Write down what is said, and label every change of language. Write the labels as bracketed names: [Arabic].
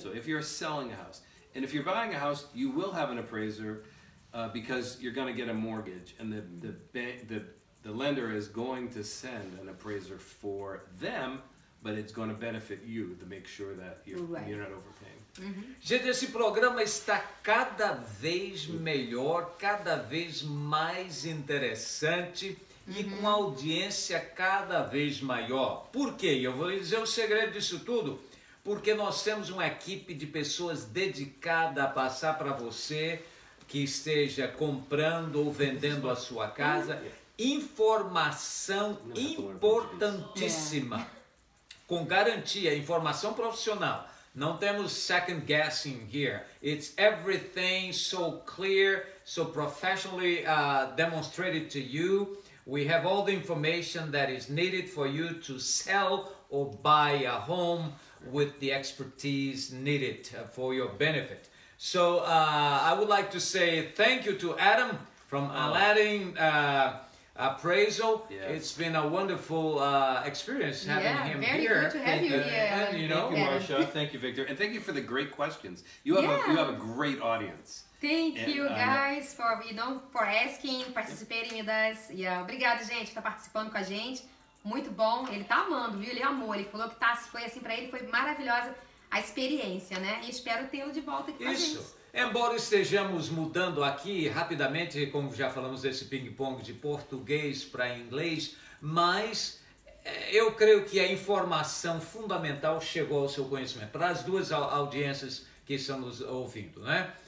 [English] So if you're selling a house, and if you're buying a house, you will have an appraiser, because you're going to get a mortgage, and the lender is going to send an appraiser for them, but it's going to benefit you to make sure that you're not overpaying. Mm-hmm. [Portuguese] Gente, esse programa está cada vez melhor, cada vez mais interessante e com uma audiência cada vez maior. Por quê? Eu vou dizer o segredo disso tudo. Porque nós temos uma equipe de pessoas dedicada a passar para você que esteja comprando ou vendendo a sua casa, informação importantíssima, com garantia, informação profissional. Não temos [English] second guessing here. It's everything so clear, so professionally demonstrated to you. We have all the information that is needed for you to sell or buy a home with the expertise needed for your benefit. So I would like to say thank you to Adam from Aladdin Appraisal. Yes. It's been a wonderful experience having him very here. Good to have you. And, you know, thank you, Marcia. Thank you, Victor. And thank you for the great questions. You have you have a great audience. Thank you guys for, you know, for asking, participating with us. [Portuguese] Yeah, obrigado, gente, por participando com a gente. Muito bom. Ele tá amando, viu? Ele amou. Ele falou que tá, foi assim para ele, foi maravilhosa a experiência, né? E espero tê-lo de volta aqui isso. Com a gente. Embora estejamos mudando aqui rapidamente, como já falamos, esse ping-pong de português para inglês, mas eu creio que a informação fundamental chegou ao seu conhecimento, para as duas audiências que estamos ouvindo, né?